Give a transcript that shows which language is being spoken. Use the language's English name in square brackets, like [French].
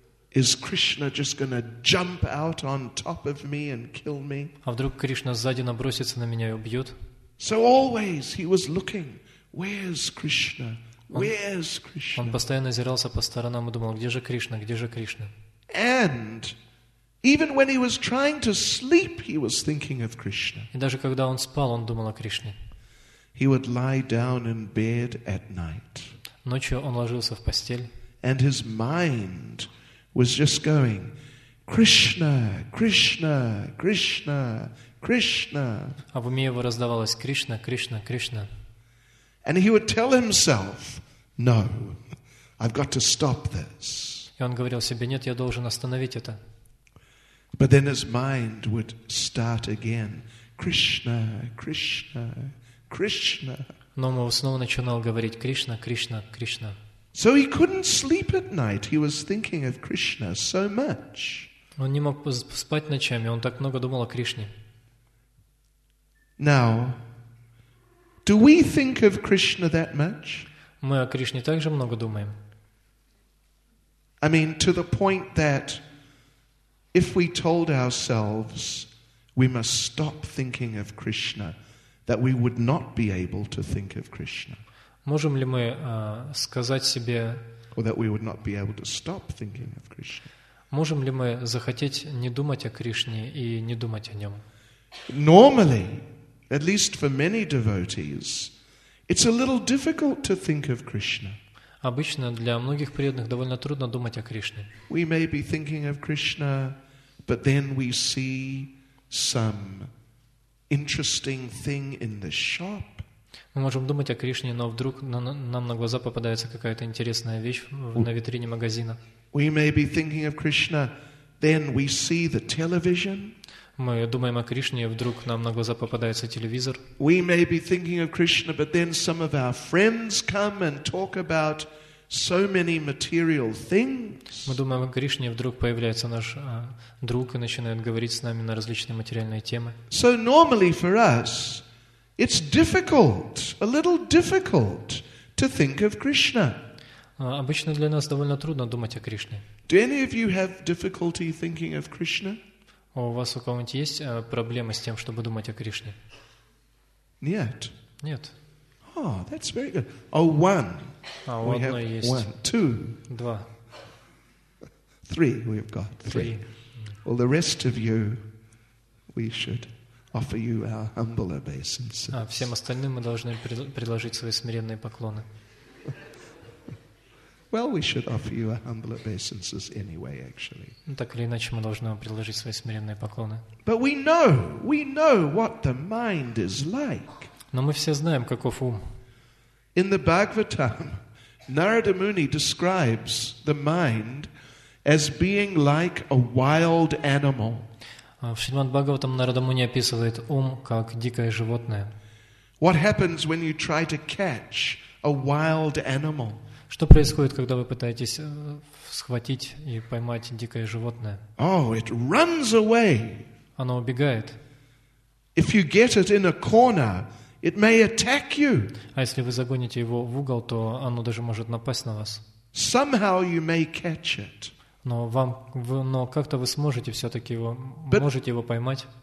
[English] Is Krishna just gonna jump out on top of me and kill me? [Russian] А вдруг Кришна сзади набросится на меня и убьет? [English] So always he was looking. Where's Krishna? Where's Krishna? [Russian] Он постоянно озирался по сторонам и думал, где же Кришна? Где же Кришна? [English] And even when he was trying to sleep, he was thinking of Krishna. [Russian] И даже когда он спал, он думал о Кришне. [English] He would lie down in bed at night. [Russian] Ночью он ложился в постель. [English] And his mind was just going, Krishna, Krishna, Krishna, Krishna. [Russian] А в уме его раздавалось Кришна, Кришна, Кришна. [English] And he would tell himself, No, I've got to stop this. [Russian] И он говорил себе, нет, я должен остановить это. [English] But then his mind would start again, Krishna, Krishna, Krishna. [Russian] Но он снова начинал говорить Кришна, Кришна, Кришна. [English] So he couldn't sleep at night. He was thinking of Krishna so much. [Russian] Он не мог спать ночами. Он так много думал о Кришне. [English] Now, do we think of Krishna that much? [Russian] Мы о Кришне также много думаем. [English] I mean, to the point that if we told ourselves we must stop thinking of Krishna, that we would not be able to think of Krishna. [Russian] Можем ли мы сказать себе, можем ли мы захотеть не думать о Кришне и не думать о нем? [English] Normally, at least for many devotees, it's a little difficult to think of Krishna. [Russian] Обычно для многих преданных довольно трудно думать о Кришне. [English] We may be thinking of Krishna, but then we see some interesting thing in the shop. [Russian] Мы можем думать о Кришне, но вдруг нам на глаза попадается какая-то интересная вещь на витрине магазина. [English] We may be thinking of Krishna, then we see the television. [Russian] Мы думаем о Кришне, и вдруг нам на глаза попадается телевизор. [English] We may be thinking of Krishna, but then some of our friends come and talk about so many material things. [Russian] Мы думаем о Кришне, и вдруг появляется наш друг и начинает говорить с нами на различные материальные темы. [English] So normally for us, it's difficult, a little difficult to think of Krishna. [Russian] Обычно для нас довольно трудно думать о Кришне. [English] Do any of you have difficulty thinking of Krishna? [Russian] У вас у кого-нибудь есть проблемы с тем, чтобы думать о Кришне? Нет. Нет. [English] Oh, that's very good. Oh, one. [Russian] А у одной есть. [English] One. Two. [Russian] Два. [English] Three. We've got three. Mm. Well, the rest of you, we should offer you our humble obeisances. [Russian] А всем остальным мы должны предложить свои смиренные поклоны. [English] Well, we should offer you our humble obeisances anyway, actually. [Russian] Так или иначе, мы должны вам предложить свои смиренные поклоны. [English] But we know what the mind is like. [Russian] Но мы все знаем, каков ум. [English] In the Bhagavatam, Narada Muni describes the mind as being like a wild animal. [Russian] В Шримад-Бхагаватам Нарада Муни описывает ум как дикое животное. [English] What happens when you try to catch a wild animal? [Russian] Что происходит, когда вы пытаетесь схватить и поймать дикое животное? [English] Oh, it runs away. [Russian] Оно убегает. [English] If you get it in a corner, it may attack you. [Russian] А если вы загоните его в угол, то оно даже может напасть на вас. [English] Somehow you may catch it. [Russian] Но как-то вы сможете все-таки его, можете его поймать.